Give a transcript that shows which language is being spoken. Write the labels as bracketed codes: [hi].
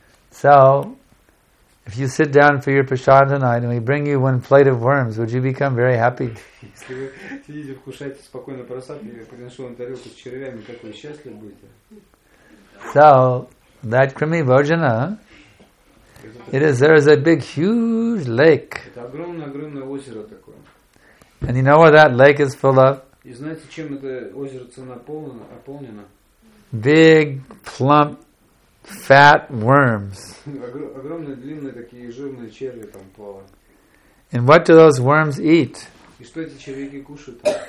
[en] So, if you sit down for your prasad tonight and we bring you one plate of worms, would you become very happy? [ru] Если вы сидите, кушаете спокойно просад, я приношу вам тарелку с червями, как вы счастливы будете? [en] So, that krimi bhojana There is a big, huge lake. [ru] Это огромное, огромное озеро такое. [en] And you know what that lake is full of? [ru] И знаете, чем это озеро наполнено? [en] Big, plump, fat worms. [ru] Огромные, длинные такие жирные черви там плавают. [en] And what do those worms eat? [ru] И что эти червяки кушают?